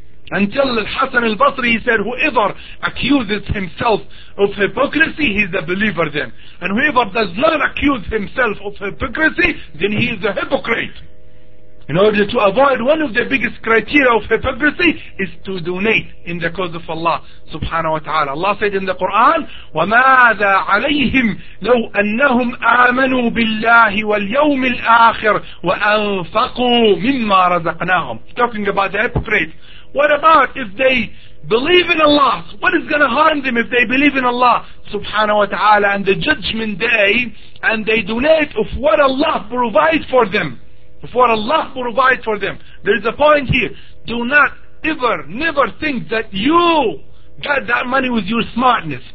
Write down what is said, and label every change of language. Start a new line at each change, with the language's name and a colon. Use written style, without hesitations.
English: Until Hassan al-Basri, he said, whoever accuses himself of hypocrisy, he's a believer then. And whoever does not accuse himself of hypocrisy, then he is a hypocrite. In order to avoid one of the biggest criteria of hypocrisy is to donate in the cause of Allah subhanahu wa ta'ala. Allah said in the Quran,
Arabic: وَمَاذَا عَلَيْهِمْ لَوْ أَنَّهُمْ آمَنُوا بِاللَّهِ وَالْيَوْمِ الْآخِرِ وَأَنْفَقُوا مِمَّا رَزَقْنَاهُمْ.
English: Talking about the hypocrites. What about if they believe in Allah? What is going to harm them if they believe in Allah subhanahu wa ta'ala and the judgment day, and they donate of what Allah provides for them? For Allah provides for them. There is a point here. Do not ever, never think that you got that money with your smartness.